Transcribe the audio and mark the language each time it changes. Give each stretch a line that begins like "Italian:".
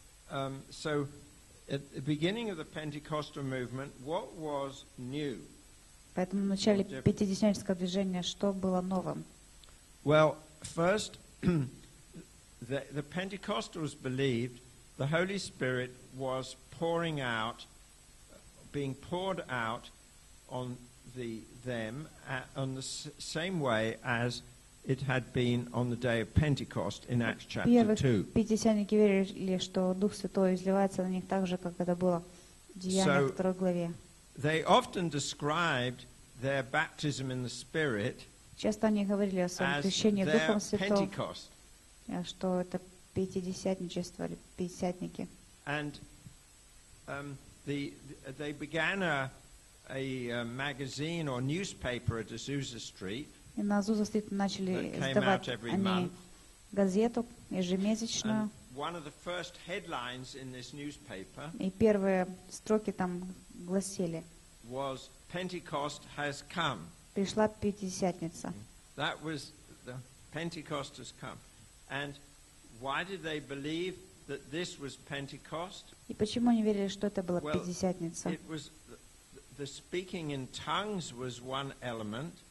English: At the beginning of the Pentecostal movement, what was new?
Russian: Поэтому в начале пятидесятнического движения что было новым?
English: Well, first, the Pentecostals believed the Holy Spirit was pouring out, being poured out on them on the same way as it had been on the day of Pentecost in Acts chapter 2.
Russian: Пятидесятники верили, что Дух Святой изливается на них так же, как это было в Деяниях 2 главе.
English: They often described their baptism in the Spirit as their Pentecost.
Russian: Что это пятидесятничество или пятидесятники.
English: And they began a magazine or newspaper at Azusa Street.
Russian: И на Азуза Стрит начали издавать они газету ежемесячную. И первые строки там гласили: пришла Пятидесятница.
English: That was the Pentecost has come. And why did they believe that this was Pentecost?
Russian: И почему они верили, что это была Пятидесятница?
English: It was the speaking in tongues was one element.